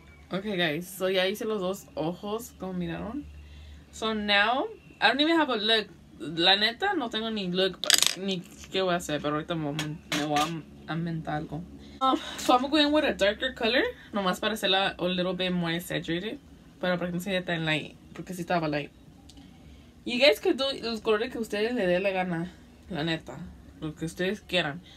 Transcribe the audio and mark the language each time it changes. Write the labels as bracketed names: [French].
[Spanish] Okay, guys, so ya hice los dos ojos, como miraron. [English] So now, I don't even have a look. [Spanish] La neta, no tengo ni look, ni qué voy a hacer, pero ahorita me voy a inventar algo. [English] So I'm going with a darker color, [Spanish] nomás para hacerla [English] a little bit more saturated, [Spanish] pero para que no se vea tan light, porque sí estaba light. [English] You guys could do [Spanish] los colores que ustedes le dé la gana, la neta, lo que ustedes quieran.